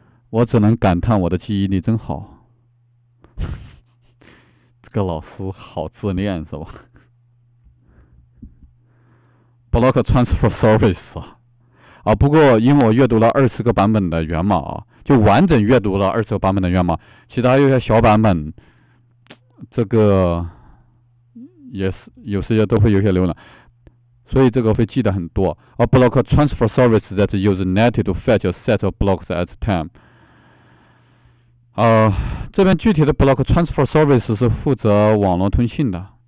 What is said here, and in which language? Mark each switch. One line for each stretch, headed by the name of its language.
Chinese: 我只能感叹我的记忆力真好，这个老师好自恋是吧 ？Block transfer service 啊，不过因为我阅读了二十个版本的源码啊，就完整阅读了二十个版本的源码，其他有些小版本，这个也是有时间都会有些浏览，所以这个会记得很多啊。
English: Block transfer service that use net to fetch a set of blocks at time。
Chinese: 这边具体的 block transfer service 是负责网络通信的。